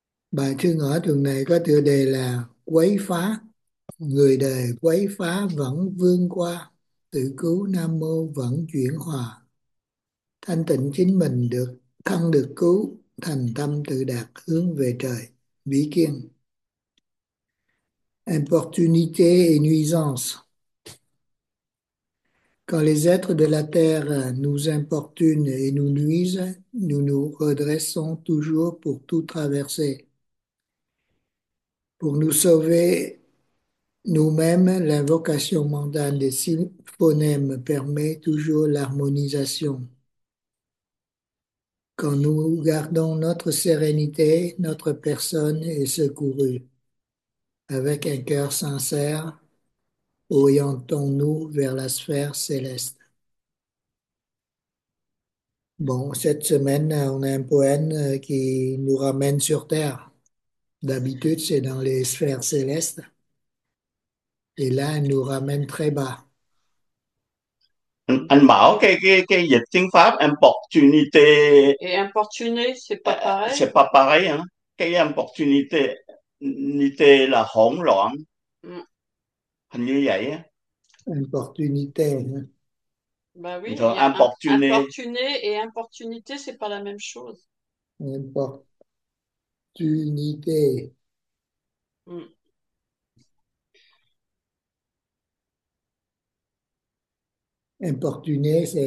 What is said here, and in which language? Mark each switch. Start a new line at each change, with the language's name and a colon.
Vietnamese: Bài thi ngữ tuần này có tựa đề là Quấy phá, người đời quấy phá vẫn vươn qua, tự cứu Nam mô vẫn chuyển hòa. Thanh tịnh chính mình được thân được cứu, thành tâm tự đạt hướng về trời, vĩ kiên.
French: Importunité Quand les êtres de la terre nous importunent et nous nuisent, nous nous redressons toujours pour tout traverser. Pour nous sauver nous-mêmes, l'invocation mondaine des six phonèmes permet toujours l'harmonisation. Quand nous gardons notre sérénité, notre personne est secourue. Avec un cœur sincère, orientons-nous vers la sphère céleste. Bon, cette semaine, on a un poème qui nous ramène sur Terre. D'habitude, c'est dans les sphères célestes. Et là, elle nous ramène très bas.
Vietnamese: Anh bảo cái dịch tiếng Pháp opportunité
French: Et importuner, c'est pas pareil? c'est pas pareil hein?
Vietnamese: Cái opportunité nité là hỗn loạn hình như vậy á.
French: Importunité. Ben oui,
Vietnamese: Rồi
French: il y a opportuné importuné et importunité, c'est pas la même chose. importunité. Importuné,